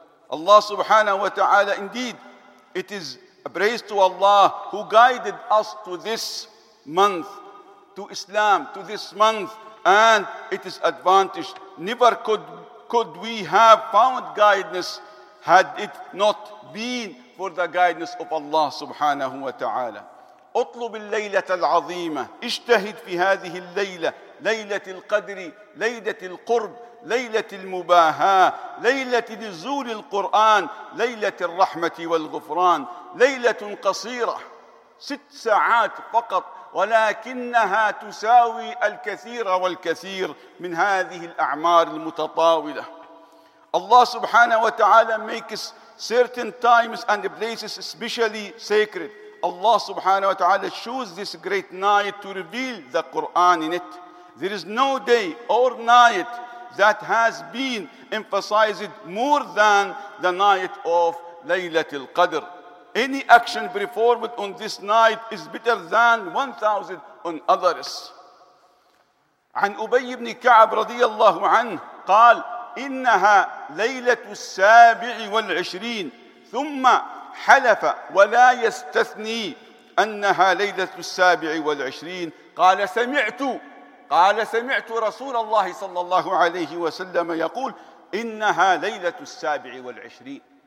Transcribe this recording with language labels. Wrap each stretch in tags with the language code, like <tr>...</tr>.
<en>Allah</en> <ar>سبحانه وتعالى,</ar> <en>indeed, it is a praise to Allah who guided us to this month, to Islam, to this month, and it is advantage. Never could we have found guidance had it not been for the guidance of Allah subhanahu wa ta'ala.</en> <ar>اطلب الليلة العظيمة اجتهد في هذه الليلة ليلة القدر ليلة القرب ليلة المباهاة ليلة نزول القرآن ليلة الرحمة والغفران ليلة قصيرة 6 ساعات فقط ولكنها تساوي الكثير والكثير من هذه الأعمار المتطاولة.</ar> <en>Allah subhanahu wa ta'ala makes certain times and places especially sacred. Allah subhanahu wa ta'ala chose this great night to reveal the Quran in it. There is no day or night that has been emphasized more than the night of Laylatul Qadr. Any action performed on this night is better than 1,000 on others.</en> <ar>عن أبي بن كعب رضي الله عنه قال إنها ليلة 27 ثم حلف ولا يستثني أنها ليلة 27 قال سمعت رسول الله صلى الله عليه وسلم يقول إنها ليلة 27.</ar>